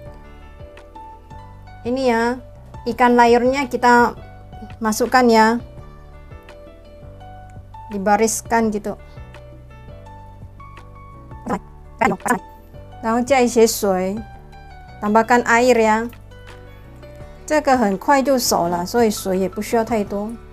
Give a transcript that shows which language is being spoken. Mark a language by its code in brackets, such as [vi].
[zh] 是干的香茅，新鲜的香茅嘛，也都可以。它没有香茅，用姜也可以。这有它的香气了，香茅香气，可以去腥。这我们的鱼肉摆上来。 [id] Ini ya, ikan layurnya kita masukkan ya, dibariskan gitu. [zh] 然后加一些水 ， [id] tambahkan air ya。 [zh] 这个很快就熟了，所以水也不需要太多。